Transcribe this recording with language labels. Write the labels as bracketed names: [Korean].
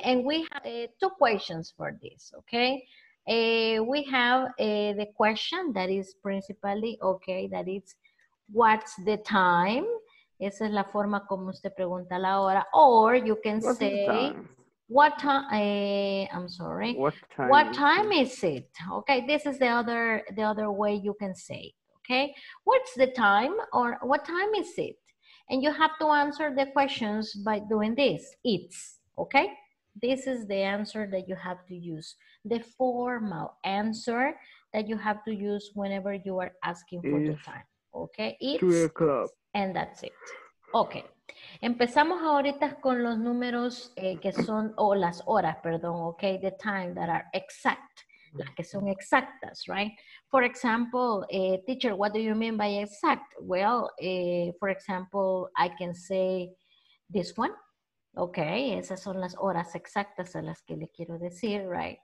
[English] And we have two questions for this, okay? We have the question that is principally, okay, that is, what's the time? [Spanish] Esa es la forma como usted pregunta la hora. [English] Or you can what say, what time? I'm sorry. What time is it? Okay, this is the other way you can say. Okay, what's the time or what time is it? And you have to answer the questions by doing this. It's, okay? This is the answer that you have to use. The formal answer that you have to use whenever you are asking for the time. Okay, it's 3 o'clock. And that's it. [Spanish] Okay, empezamos ahorita con los números que son, las horas, perdón, okay, [English] the time that are exact. [Spanish] Las que son exactas, right? [English] For example, teacher, what do you mean by exact? Well, for example, I can say this one. [Spanish] Okay, esas son las horas exactas a las que le quiero decir, right?